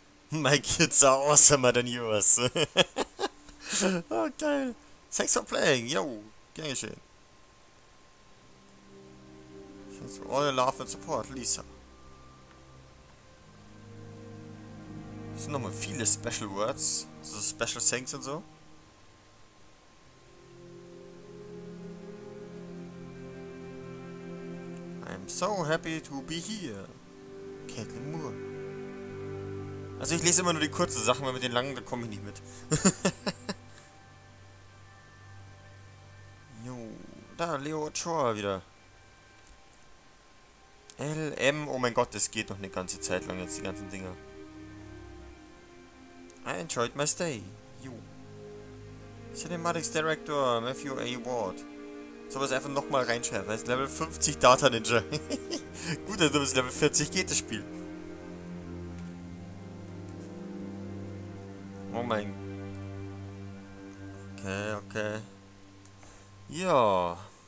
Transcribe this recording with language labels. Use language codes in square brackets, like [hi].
[en] My kids are awesomer than yours. Oh, geil. Thanks for playing. [de] Yo, gern geschehen. [en] Thanks for all your love and support, Lisa. [de] Das sind nochmal viele [en] special words, so special things [de] und so. [en] I'm so happy to be here. Caitlin Moore. [de] Also ich lese immer nur die kurzen Sachen, weil mit den langen, da komme ich nicht mit. Jo, da, Leo Ochoa wieder. LM, oh mein Gott, das geht noch eine ganze Zeit lang jetzt, die ganzen Dinger. [en] I enjoyed my stay. You. Cinematics Director Matthew A. Ward. [de] Soll man es einfach nochmal reinschreiben? Heißt Level 50 Data Ninja. Gut, dass du bis Level 40 geht, das Spiel. Oh mein. Okay, okay. Ja.